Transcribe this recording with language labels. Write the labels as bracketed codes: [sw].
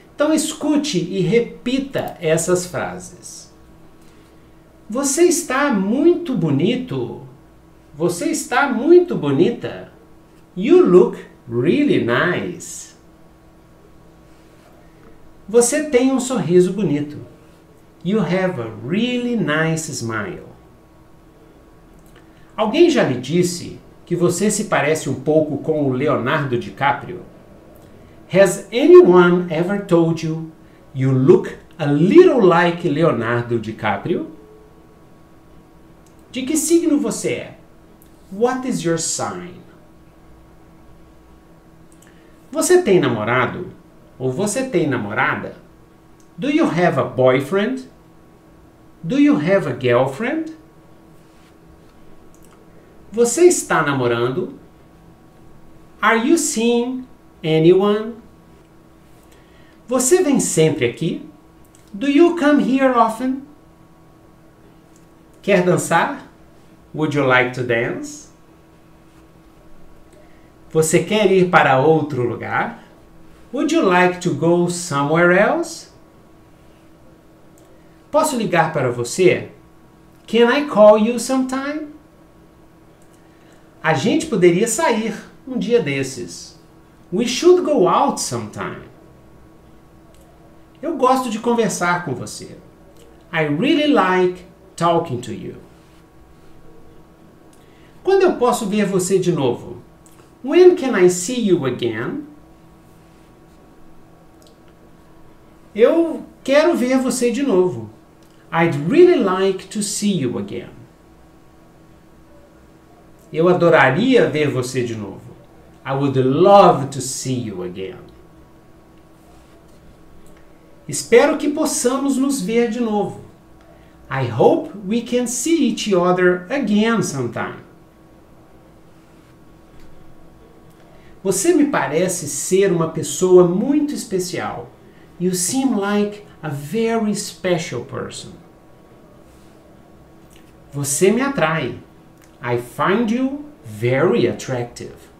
[pt] Então escute e repita essas frases. Você está muito bonito. Você está muito bonita. [en] You look really nice. [pt] Você tem um sorriso bonito. [en] You have a really nice smile. [pt] Alguém já lhe disse que você se parece um pouco com o Leonardo DiCaprio? [en] Has anyone ever told you you look a little like Leonardo DiCaprio? [pt] De que signo você é? [en] What is your sign? [pt] Você tem namorado? Ou você tem namorada? [en] Do you have a boyfriend? Do you have a girlfriend? [pt] Você está namorando? [en] Are you seeing anyone? [pt] Você vem sempre aqui? [en] Do you come here often? [pt] Quer dançar? [en] Would you like to dance? [pt] Você quer ir para outro lugar? [en] Would you like to go somewhere else? [pt] Posso ligar para você? [en] Can I call you sometime? [pt] A gente poderia sair um dia desses. [en] We should go out sometime. [pt] Eu gosto de conversar com você. [en] I really like talking to you. [pt] Quando eu posso ver você de novo? [en] When can I see you again? [pt] Eu quero ver você de novo. [en] I'd really like to see you again. [pt] Eu adoraria ver você de novo. [en] I would love to see you again. [pt] Espero que possamos nos ver de novo. [en] I hope we can see each other again sometime. [pt] Você me parece ser uma pessoa muito especial. [en] You seem like a very special person. [pt] Você me atrai. [en] I find you very attractive.